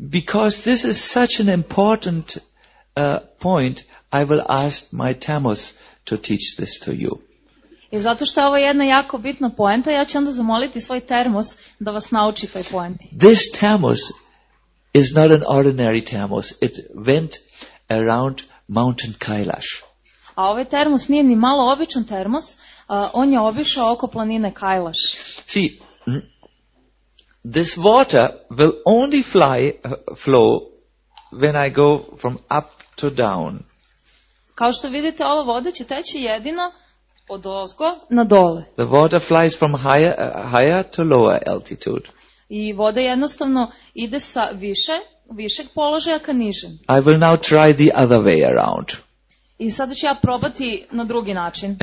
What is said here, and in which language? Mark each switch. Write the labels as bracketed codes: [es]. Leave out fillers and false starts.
[en] Because this is such an important point, I will ask my Tamos to teach this to you. [sr] I zato što je ovo jedna jako bitna poenta, ja ću onda zamoliti svoj termos da vas nauči toj poenti. [en] This Tamos is not an ordinary Tamos. It went around mountain Kailash. [sr] A ovaj termos nije ni malo običan termos. On je obišao oko planine Kailash. [en] See, this water will only flow when I go from up to down. [sr] Kao što vidite, ova voda će teći jedino od ozgo na dole. [en] The water flies from higher to lower altitude. [sr] I voda jednostavno ide sa višeg položaja ka nižem. [en] I will now try the other way around. [sr] I sada ću ja probati na drugi način.